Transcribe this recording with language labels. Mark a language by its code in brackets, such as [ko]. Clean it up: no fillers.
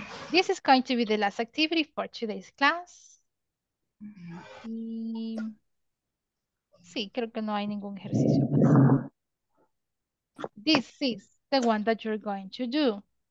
[en] This is going to be the last activity for today's class. [es] Y... sí, creo que no hay ningún ejercicio más. [en] This is the one that you're going to do.